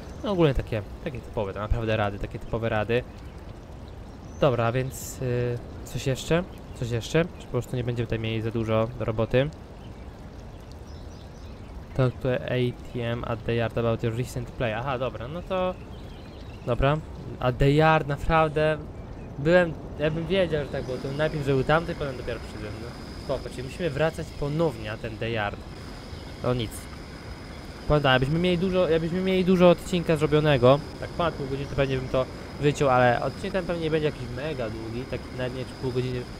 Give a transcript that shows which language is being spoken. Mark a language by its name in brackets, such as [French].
[Polish] No ogólnie takie typowe, to naprawdę rady, takie typowe rady. Dobra, więc coś jeszcze? Coś jeszcze? Czy po prostu nie będziemy tutaj mieli za dużo do roboty? [English] Talk to ATM at the yard about your recent play. [Polish] Aha, dobra, no to... Dobra. At the yard, naprawdę... Ja bym wiedział, że tak było. To najpierw, że był tamty, potem dopiero przyszedłem. No, spoko, czyli musimy wracać ponownie na ten the yard. To nic. Powiem, jakbyśmy mieli dużo odcinka zrobionego, tak ponad pół godziny, to pewnie bym to wyciął, ale odcinek ten pewnie nie będzie jakiś mega długi, taki na dnie czy pół godziny.